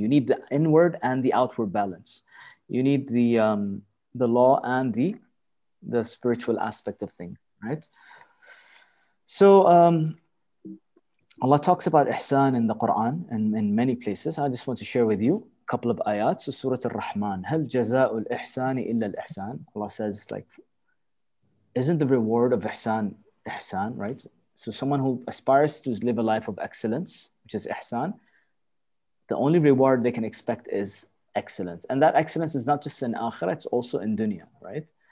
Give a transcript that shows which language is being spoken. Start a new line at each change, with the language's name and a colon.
English: You need the inward and the outward balance. You need the law and the spiritual aspect of things, right? So Allah talks about ihsan in the Quran and in many places. I just want to share with you a couple of ayats. So Surah Ar-Rahman,
Arabic: هَلْ جَزَاءُ الْإِحْسَانِ إِلَّا الْإِحْسَانِ.
English: Allah says, like, isn't the reward of ihsan ihsan, right? So someone who aspires to live a life of excellence, which is ihsan, the only reward they can expect is excellence. And that excellence is not just in akhirah, it's also in dunya, right?